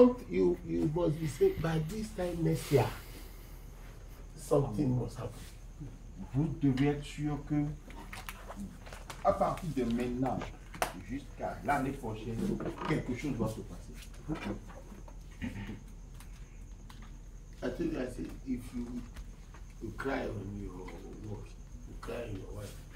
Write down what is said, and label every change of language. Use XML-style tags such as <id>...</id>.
<en>you must be saying by this time next year, something must happen.</en> <fr>Vous devez être sûr que à partir de maintenant jusqu'à l'année prochaine, quelque chose va se passer.</fr> <en>I say if you cry on your work, you cry on your wife.</en>